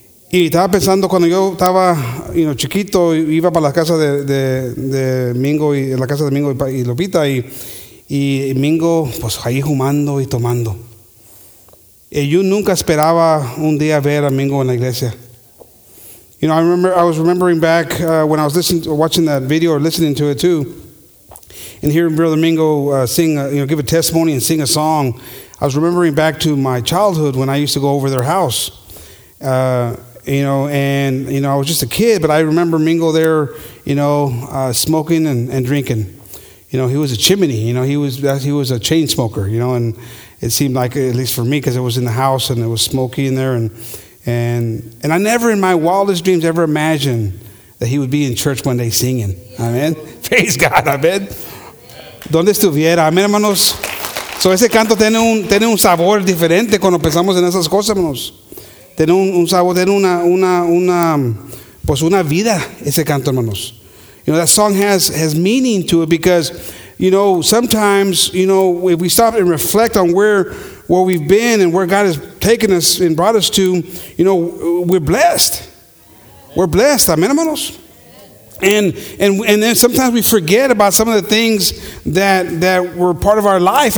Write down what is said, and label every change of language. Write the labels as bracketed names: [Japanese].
[Spanish] Y estaba pensando cuando yo estaba, [English] you know, [Spanish] chiquito, iba para la casa de Mingo y la casa de Mingo y Lupita, y Mingo pues ahí fumando y tomando. Y yo nunca esperaba un día ver a Mingo en la iglesia. [English] You know, I was remembering back when I was watching that video or listening to it too, and hearing Brother Mingo give a testimony and sing a song. I was remembering back to my childhood when I used to go over their house. I was just a kid, but I remember Mingo there, you know, smoking and drinking. You know, he was a chimney, you know, he was a chain smoker, you know, and it seemed like, at least for me, because it was in the house and it was smoky in there. And I never in my wildest dreams ever imagined that he would be in church one day singing. Amen. Praise God. Amen. [Spanish] ¿Dónde estuviera? [English] Amen, hermanos. [Spanish] So ese canto tiene un sabor diferente cuando pensamos en esas cosas, hermanos. Tiene un sabor, tiene una vida ese canto, hermanos. [English] You know, that song has meaning to it because, you know, sometimes, you know, if we stop and reflect on where we've been and where God has taken us and brought us to, you know, we're blessed. We're blessed. Amen, hermanos. And then sometimes we forget about some of the things that were part of our life.